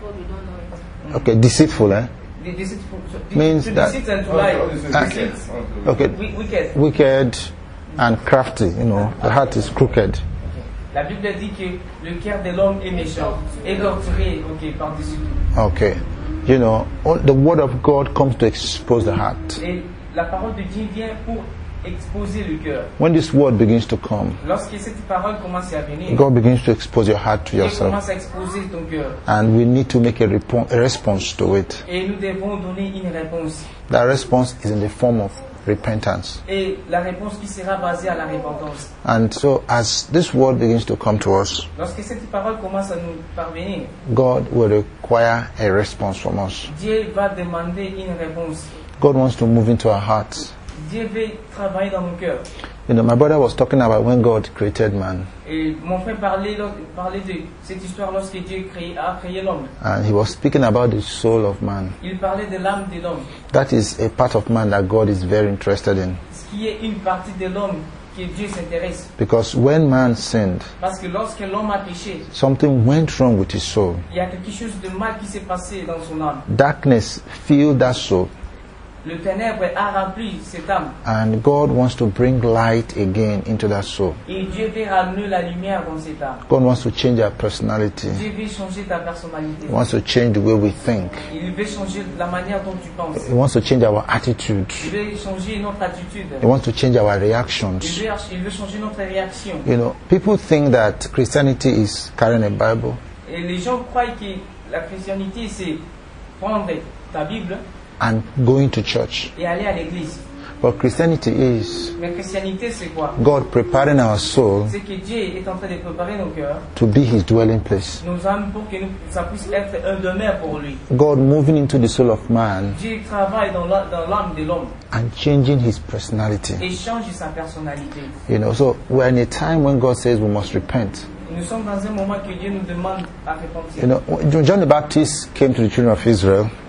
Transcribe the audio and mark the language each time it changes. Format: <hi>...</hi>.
<en>That word we don't know it. Okay, deceitful, eh? Deceitful. Means to that. Deceit and to lie. Okay. Wicked. Wicked and crafty. You know, the heart is crooked.</en> <fr>Okay. La Bible dit que le cœur de l'homme est méchant, égorgé.</fr> <en>Okay, par deceit. Okay. You know, the word of God comes to expose the heart.</en> <fr>La parole de Dieu vient pour exposer le cœur.</fr> <en>When this word begins to come,</en> <fr>lorsque cette parole commence à venir,</fr> <en>God begins to expose your heart to</en> <fr>Dieu</fr> <en>yourself.</en> <fr>Commence à exposer ton cœur.</fr> <en>And we need to make a response to it.</en> <fr>Et nous devons donner une réponse.</fr> <en>That response is in the form of repentance.</en> <fr>Et la réponse qui sera basée à la repentance.</fr> <en>And so as this word begins to come to us,</en> <fr>lorsque cette parole commence à nous parvenir,</fr> <en>God will require a response from us.</en> <fr>Dieu va demander une réponse.</fr> <en>God wants to move into our hearts.</en> <fr>Dieu veut travailler dans mon cœur.</fr> <en>You know, my brother was talking about when God created man.</en> <fr>Et mon frère parlait de cette histoire lorsque Dieu a créé l'homme.</fr> <en>And he was speaking about the soul of man.</en> <fr>Il parlait de l'âme de l'homme.</fr> <en>That is a part of man that God is very interested in.</en> <fr>Ce qui est une partie de l'homme que Dieu s'intéresse.</fr> <en>Because when man sinned,</en> <fr>parce que lorsque l'homme a péché,</fr> <en>something went wrong with his soul.</en> <fr>Il y a quelque chose de mal qui s'est passé dans son âme.</fr> <en>Darkness filled that soul.</en> <fr>Le ténèbre a rempli cette âme.</fr> <en>And God wants to bring light again into that soul.</en> <fr>Et Dieu veut ramener la lumière dans cette âme.</fr> <en>God wants to change our personality.</en> <fr>Dieu veut changer ta personnalité.</fr> <en>He wants to change the way we think.</en> <fr>Il veut changer la manière dont tu penses.</fr> <en>He wants to change our attitude.</en> <fr>Il veut changer notre attitude.</fr> <en>He wants to change our reactions.</en> <fr>Il veut changer notre réaction.</fr> <en>You know, people think that Christianity is carrying a Bible.</en> <fr>Et les gens croient que la christianité c'est prendre ta Bible</fr> <en>and going to church.</en> <fr>Et aller à l'église.</fr> <en>But Christianity is,</en> <fr>mais Christianité, c'est quoi?</fr> <en>God preparing our soul,</en> <fr>c'est que Dieu est en train de préparer nos cœurs,</fr> <en>to be his dwelling place.</en> <fr>Nos âmes pour que nous, ça puisse être un demeure pour lui.</fr> <en>God moving into the soul of man,</en> <fr>Dieu travaille dans l'âme de l'homme,</fr> <en>and changing his personality.</en> <fr>Et change sa personnalité.</fr> <en>You know, so we're in a time when God says we must repent.</en> <fr>Nous sommes dans un moment que Dieu nous demande à repentir.</fr> <en>You know, John the Baptist came to the children of Israel.</en>